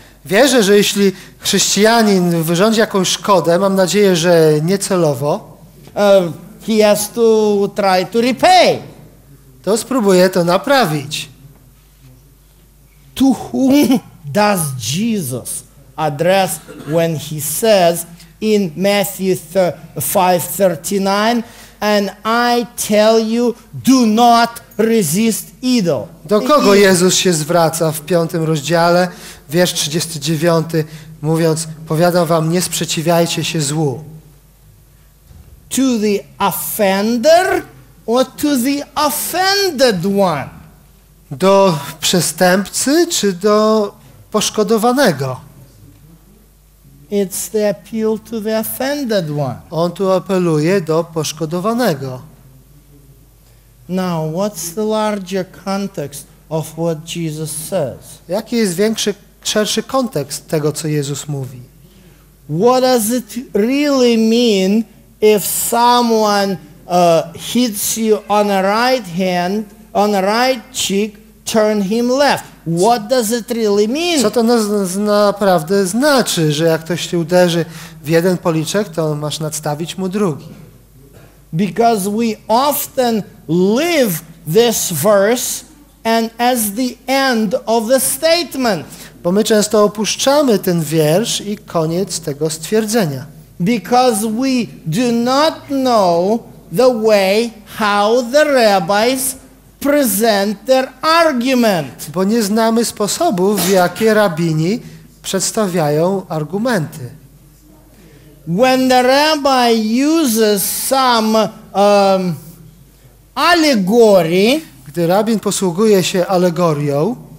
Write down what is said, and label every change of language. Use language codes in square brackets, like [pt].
[pl] Wierzę, że jeśli chrześcijanin wyrządzi jakąś szkodę, mam nadzieję, że niecelowo, [en] he has to try to repay. [pl] To spróbuje to naprawić. [en] To whom does Jesus address when he says in Matthew 5:39, and I tell you, do not resist evil. [pl] Do kogo Jezus się zwraca w 5 rozdziale, wiersz 39, mówiąc, powiadam wam, nie sprzeciwiajcie się złu. [en] To the offender or to the offended one? [pl] Do przestępcy czy do poszkodowanego? [en] It's the appeal to the offended one. [pl] On tu apeluje do poszkodowanego. [en] Now, what's the larger context of what Jesus says? [pl] Jaki jest większy, szerszy kontekst tego, co Jezus mówi? [en] What does it really mean if someone hits you on the right hand, on the right cheek, turn him left? What does it really mean? [pl] Co to naprawdę znaczy, że jak ktoś ci uderzy w jeden policzek, to masz nadstawić mu drugi? [en] Because we often live this verse and as the end of the statement. [pl] Bo my często opuszczamy ten wiersz i koniec tego stwierdzenia. [en] Because we do not know the way how the rabbis present their argument. [pl] Bo nie znamy sposobów, w jakie rabini przedstawiają argumenty. [en] When the rabbi uses some allegory, [pl] gdy rabin posługuje się alegorią,